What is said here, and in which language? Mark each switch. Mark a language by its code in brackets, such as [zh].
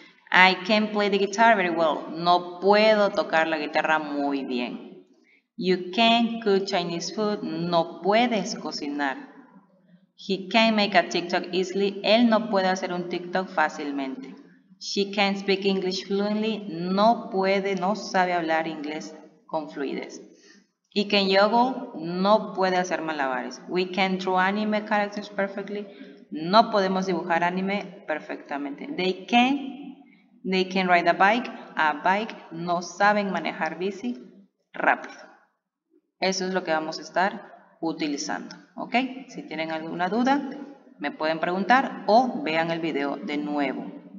[en] I can play the guitar very well. [es] No puedo tocar la guitarra muy bien. [en] You can cook Chinese food. [es] No puedes cocinar. [en] He can make a TikTok easily. [es] Él no puede hacer un TikTok fácilmente. [en] She can speak English fluently. [es] No puede, no sabe hablar inglés con fluidez. [en] He can juggle. [es] No puede hacer malabares. [en] We can draw anime characters perfectly. [es] No podemos dibujar anime perfectamente. [en] They can. They can ride a bike, [es] no saben manejar bici rápido. Eso es lo que vamos a estar utilizando. ¿Ok? Si tienen alguna duda, me pueden preguntar o vean el video de nuevo.